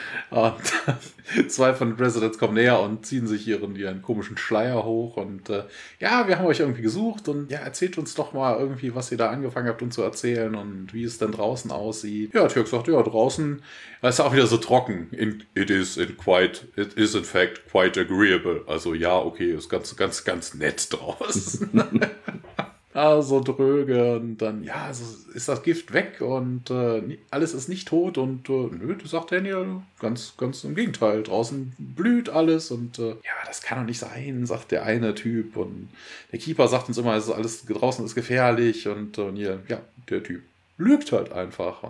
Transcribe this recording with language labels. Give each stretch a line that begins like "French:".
German: Und zwei von den Residents kommen näher und ziehen sich ihren komischen Schleier hoch. Und wir haben euch irgendwie gesucht. Und ja, erzählt uns doch mal irgendwie, was ihr da angefangen habt, uns zu erzählen. Und wie es denn draußen aussieht. Ja, Türk sagt, ja, draußen ist auch wieder so trocken.
English: It is in fact quite agreeable.
German: Also ja, okay, ist ganz, ganz, ganz nett draußen. Also dröge und dann, ja, so ist das Gift weg und alles ist nicht tot und nö, das sagt Daniel, ganz, ganz im Gegenteil, draußen blüht alles und das kann doch nicht sein, sagt der eine Typ und der Keeper sagt uns immer, es ist alles draußen ist gefährlich und der Typ lügt halt einfach.